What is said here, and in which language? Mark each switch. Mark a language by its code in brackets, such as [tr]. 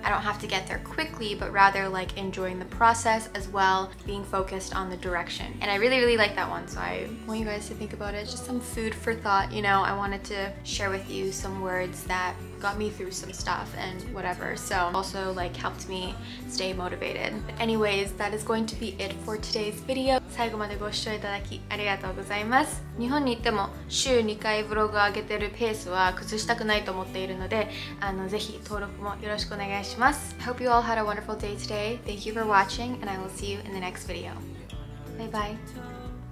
[en] I don't have to get there quickly, but rather like enjoying the process as well, being focused on the direction. And I really, really like that one. So I want you guys to think about it. Just some food for thought. You know, I wanted to share with you some words that got me through some stuff and whatever. So also like helped me stay motivated. But anyways, that is going to be it for today's video. [ja] 最後までご視聴いただきありがとうございます。日本に行っても週2回ブログを上げてるペースは崩したくないと思っているので、ぜひ登録もよろしくお願いします。 [en] I hope you all had a wonderful day today. Thank you for watching and I will see you in the next video. Bye bye.